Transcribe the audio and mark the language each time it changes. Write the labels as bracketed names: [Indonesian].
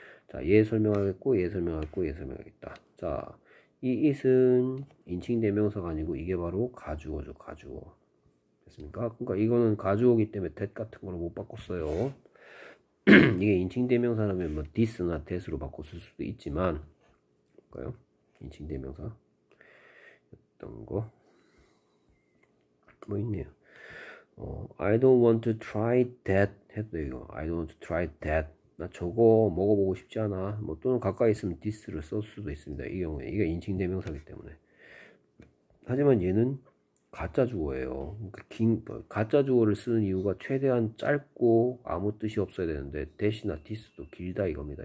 [Korean] 자, 얘 설명하겠고, 얘 설명하겠고, 얘 설명하겠다. 자, 이 it은 인칭 대명사가 아니고 이게 바로 가주어죠, 가주어. 됐습니까? 그러니까 이거는 가주어이기 때문에 that 같은 걸못 바꿨어요. 이게 인칭 대명사라면 뭐 this나 that으로 바꿔 쓸 수도 있지만 볼까요? 인칭 대명사였던 거뭐 있네요. [English] I don't want to try that [Korean] 해도 돼요. [English] I don't want to try that. [Korean] 나 저거 먹어보고 싶지 않아. 뭐 또는 가까이 있으면 this를 쓸 수도 있습니다. 이 경우에 이게 인칭 대명사기 때문에. 하지만 얘는 가짜 주어예요. 그러니까 가짜 주어를 쓰는 이유가 최대한 짧고 아무 뜻이 없어야 되는데 대시나 디스도 길다 이겁니다.